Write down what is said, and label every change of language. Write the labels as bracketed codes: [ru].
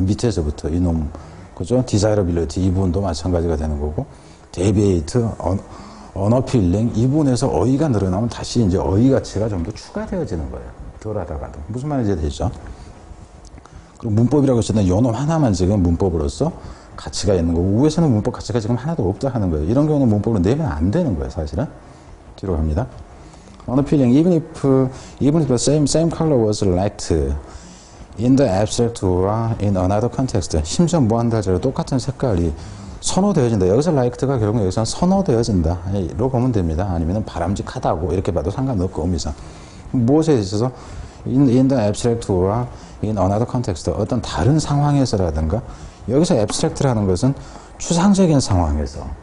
[ko] 밑에서부터 이놈, 그죠? desirability 이 부분도 마찬가지가 되는 거고, deviate, unappealing 이 부분에서 어휘가 늘어나면 다시 이제 어휘 가치가 좀 더 추가되어지는 거예요. 덜 하다가도. 무슨 말인지 되죠? 그리고 문법이라고 했었는데 이놈 하나만 지금 문법으로서 가치가 있는 거고, 우에서는 문법 가치가 지금 하나도 없다 하는 거예요. 이런 경우는 문법으로 내면 안 되는 거예요, 사실은. 뒤로 갑니다. [en] Unappealing, even if the same color was light in the abstract or in another context. [ko] 심지어 뭐 한다 하더라도 똑같은 색깔이 선호되어진다. 여기서 light가 결국 여기서 선호되어진다. 로 보면 됩니다. 아니면 바람직하다고 이렇게 봐도 상관없고, 의미상. 무엇에 있어서 [en] in the abstract or in another context. [ko] 어떤 다른 상황에서라든가 여기서 abstract라는 것은 추상적인 상황에서.